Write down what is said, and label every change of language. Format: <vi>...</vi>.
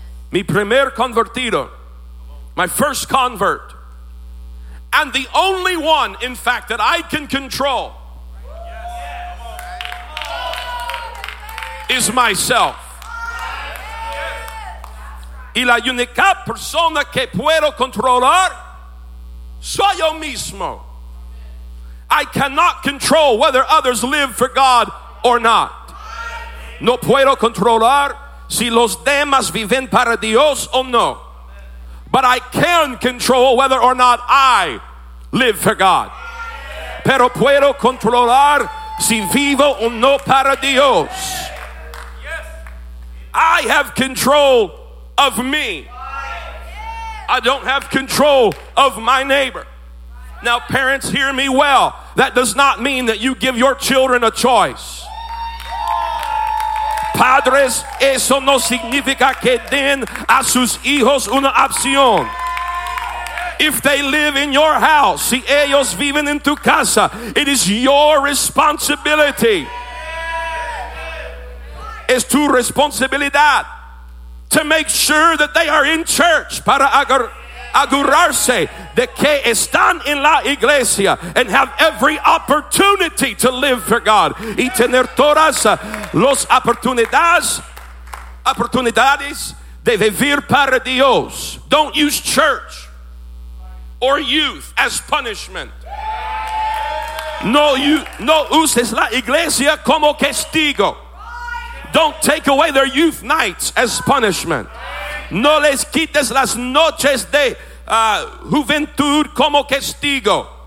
<es>Mi primer convertido,</es> <en>my first convert, and the only one, in fact, that I can control is myself.</en> <es>Y la única persona que puedo controlar, soy yo mismo.</es> <en>I cannot control whether others live for God or not.</en> <es>No puedo controlar si los demás viven para Dios o no.</es> <en>But I can control whether or not I live for God.</en> <es>Pero puedo controlar si vivo o no para Dios.</es> <en>I have control of me. I don't have control of my neighbor. Now, parents, hear me well. That does not mean that you give your children a choice.</en> <es>Padres, eso no significa que den a sus hijos una opción.</es> <en>If they live in your house,</en> <es>si ellos viven en tu casa,</es> <en>it is your responsibility.</en> <es>Es tu responsabilidad</es> <en>to make sure that they are in church</en> <es>para asegurarse de que están en la iglesia</es> <en>and have every opportunity to live for God</en> <es>y tener todas las oportunidades de vivir para Dios.</es> <en>Don't use church or youth as punishment.</en> <es>No uses la iglesia como castigo.</es> <en>Don't take away their youth nights as punishment.</en> <es>No les quites las noches de juventud como castigo.</es>